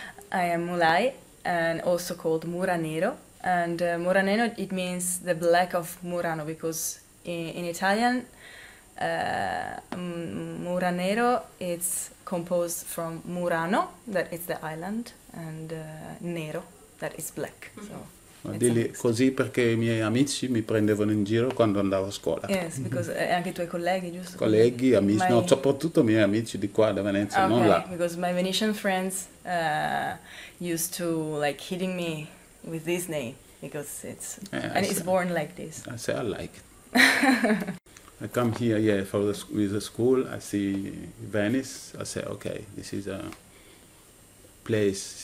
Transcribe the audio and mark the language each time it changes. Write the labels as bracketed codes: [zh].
[en] I am Moulay, and also called Muranero. And Muranero, it means the black of Murano, because in Italian, Muranero is composed from Murano, that is the island, and nero, that is black. [it] So dili così perché i miei amici mi prendevano in giro quando andavo a scuola. [en] Yes, because [it] anche i tuoi colleghi, giusto? Colleghi, amici, no, soprattutto i miei amici di qua, da Venezia, [en] okay, [it] non là. [en] Because my Venetian friends used to like hitting me with this name, because it's and it's born like this. I say I like it. I come here, yeah, for the with the school. I see Venice. I say, okay, this is a place.